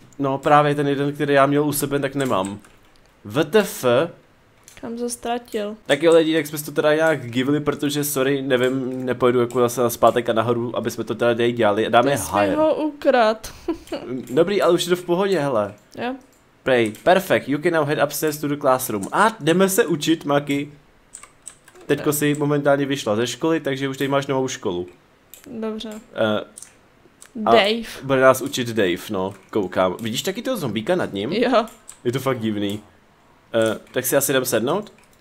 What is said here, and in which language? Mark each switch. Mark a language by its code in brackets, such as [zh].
[cs] No právě ten jeden, který já měl u sebe, tak nemám. [en] WTF? [cs] Kam se ztratil? Tak jo lidi, tak jsme to teda nějak givili, protože sorry, nevím, nepojedu jako zase na zpátek a nahoru, aby jsme to teda dělali. Dáme hire. Ho ukrad. Dobrý, ale už je to v pohodě, hele. Jo. [en] Prej, perfect, you can now head upstairs to the classroom. [cs] A jdeme se učit, Maki. Teďko si momentálně vyšla ze školy, takže už teď máš novou školu. Dobře. Dave. Bude nás učit Dave, no, koukám. Vidíš taky toho zombíka nad ním? Jo. Je to fakt divný. Tak si asi jdem sednout.